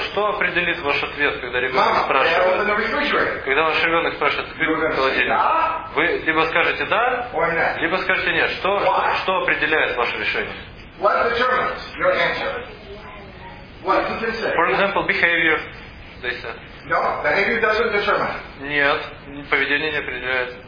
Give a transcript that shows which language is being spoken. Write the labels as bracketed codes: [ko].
[ru] Что определит ваш ответ, когда ребенок спрашивает? Когда ваш ребенок спрашивает, открыть холодильник? Вы либо скажете да, либо скажете нет. Что определяет ваше решение? [en] What determines your answer? What did they say? For example, behavior. They said. No, behavior doesn't determine. [ru] Нет, поведение не определяет.